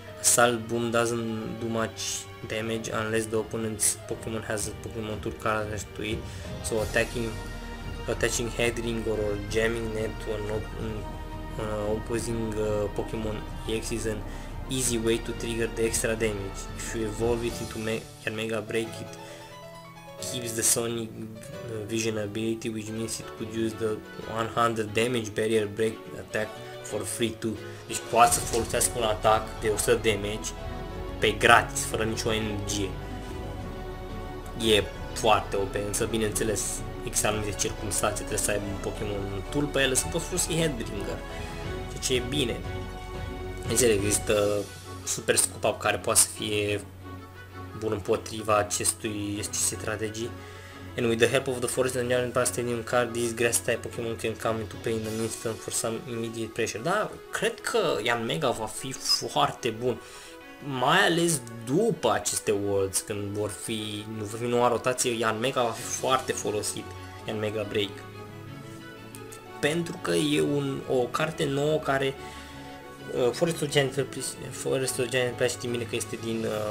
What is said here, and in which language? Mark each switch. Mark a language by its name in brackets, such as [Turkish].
[English] Assault Boom doesn't do much damage unless the opponent's Pokemon has a Pokemon Tour card attached to it, so attaching Head Ring or Jamming Net to an opposing Pokemon EX is an easy way to trigger the extra damage. If you evolve it into your Mega Break, it keeps the Sonic Vision ability, which means it could use the 100 damage barrier break attack for free too. [Romanian] Deci poate să folosească un atac de 100 damage pe gratis, fără nicio energie. E foarte OP, însă bineînțeles, există anumite circunstanțe, trebuie să ai un Pokémon tool pe el, să poți folosi Headbringer, ceea ce e bine. Înțeleg, există super scoop up care poate să fie bun împotriva acestei strategii. [English] And with the help of the Forest and Iron Pass Stadium card, this grass-type Pokemon can come into play in an instant for some immediate pressure. [Romanian] Da, cred că Yan Mega va fi foarte bun, mai ales după aceste Worlds, când vor fi noua rotație, Yan Mega va fi foarte folosit, Yan Mega Break. Pentru că e o carte nouă care... Forest of Giant Pass, știi bine că este din...